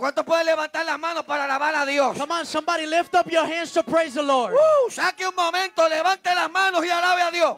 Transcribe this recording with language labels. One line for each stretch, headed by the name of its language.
Spanish: ¿Cuántos pueden levantar las manos para alabar a Dios?
English: Come on, somebody lift up your hands to praise the Lord.
Spanish: Saque un momento, levante las manos y alabe a Dios.